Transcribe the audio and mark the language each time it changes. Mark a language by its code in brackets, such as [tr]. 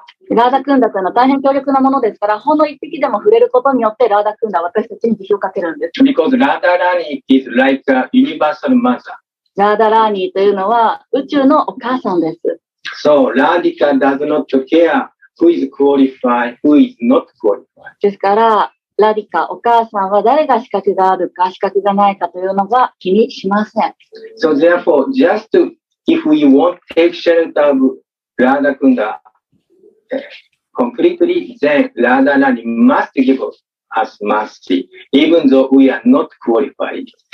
[ja] ラダクンダというのは大変強力なものですから、ほんの一滴でも触れることによってラダクンダは私たちに慈悲をかけるんです。 [en] Because Radha Rani is like a universal mother. [ja] ラダラーニというのは宇宙のお母さんです。 [en] So Radhika does not care who is qualified, who is not qualified. [ja] ですから、ラディカ、お母さんは誰が資格があるか資格がないかというのは気にしません。 [en] So therefore, just if we won't take shelter of Radha Kunda completely, then Radha Rani must give us mercy, even though we are not qualified.